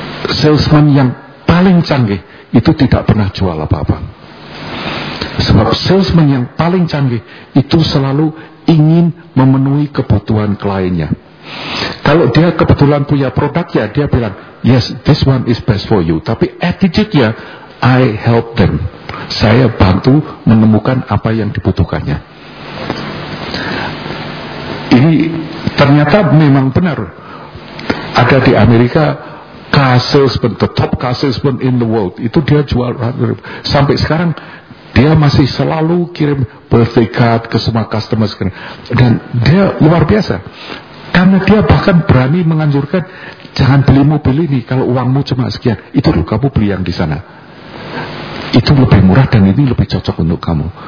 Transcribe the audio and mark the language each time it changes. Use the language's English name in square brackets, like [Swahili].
[Indonesian] Salesman yang paling canggih itu tidak pernah jual apa-apa. Sebab salesman yang paling canggih itu selalu ingin memenuhi kebutuhan kliennya. Kalau dia kebetulan punya produk ya, dia bilang, [English] yes, this one is best for you. [Indonesian] Tapi [English] attitude-nya, I help them. [Indonesian] Saya bantu menemukan apa yang dibutuhkannya. Ini ternyata memang benar. Ada di Amerika, [English] car salesman, the top car salesman in the world, [Indonesian] itu dia jual sampai sekarang dia masih selalu kirim birthday card ke semua customer, dan dia luar biasa karena dia bahkan berani menganjurkan jangan beli mobil ini kalau uangmu cuma sekian, itu loh kamu beli yang di sana, itu lebih murah dan ini lebih cocok untuk kamu.